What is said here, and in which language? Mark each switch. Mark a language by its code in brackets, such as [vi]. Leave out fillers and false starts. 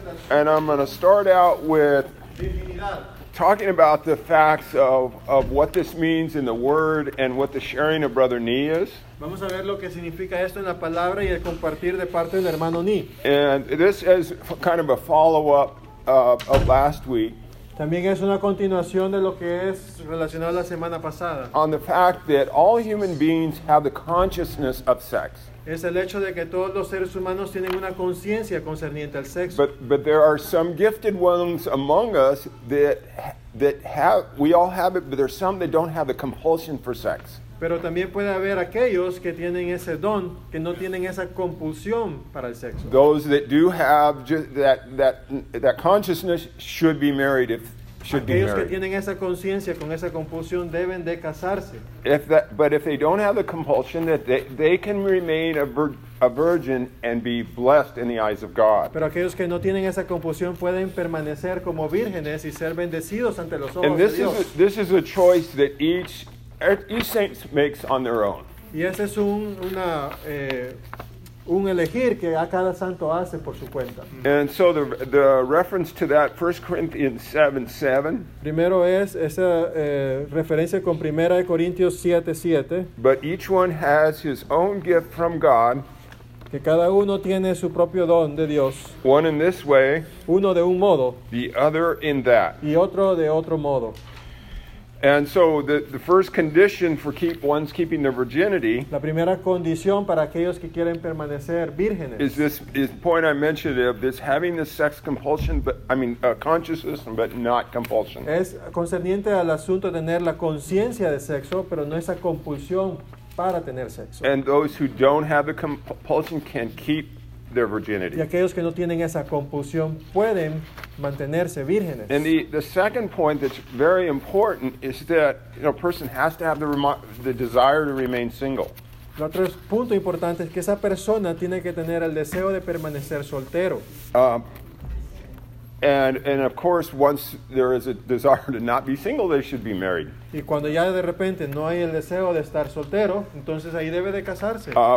[en] And I'm going to start out with talking about the facts of what this means in the Word and what the sharing of Brother Ni is. [es] Vamos a ver lo que significa esto en la palabra y el compartir de parte del hermano Ni. [en] And this is kind of a follow-up of last week. [es] También es una continuación de lo que es relacionado a la semana pasada. [en] On the fact that all human beings have the consciousness of sex. [es] Es el hecho de que todos los seres humanos tienen una conciencia concerniente al sexo. [en] But there are some gifted ones among us that have, we all have it, but there's some that don't have the compulsion for sex. [es] Pero también puede haber aquellos que tienen ese don, que no tienen esa compulsión para el sexo. [en] Those that do have just that consciousness should be married if should [es] aquellos [en] be married. [es] Aquellos que tienen esa conciencia con esa compulsión deben de casarse. [en] But if they don't have the compulsion, that they can remain a virgin and be blessed in the eyes of God. [es] Pero aquellos que no tienen esa compulsión pueden permanecer como vírgenes y ser bendecidos ante los ojos de Dios. [en] And this is a choice that each saint makes on their own. [es] Y ese es un elegir que a cada santo hace por su cuenta. [en] And so the reference to that, 1 Corinthians 7:7. [es] Primero es esa referencia con Primera de Corintios 7:7. [en] But each one has his own gift from God. [es] Que cada uno tiene su propio don de Dios. [en] One in this way. [es] Uno de un modo. [en] The other in that. [es] Y otro de otro modo. [en] And so the first condition for keeping their virginity, [es] la primera condición para aquellos que quieren permanecer vírgenes, [en] is this point I mentioned of this having the sex compulsion, consciousness, but not compulsion. [es] Es concerniente al asunto de tener la conciencia de sexo, pero no esa compulsión para tener sexo. [en] And those who don't have the compulsion can keep their virginity. [es] Y aquellos que no tienen esa compulsión pueden mantenerse vírgenes. [en] And the second point that's very important is that, you know, a person has to have the desire to remain single. [es] El otro punto importante es que esa persona tiene que tener el deseo de permanecer soltero. [en] And of course, once there is a desire to not be single, they should be married. [es] Y cuando ya de repente no hay el deseo de estar soltero, entonces ahí debe de casarse.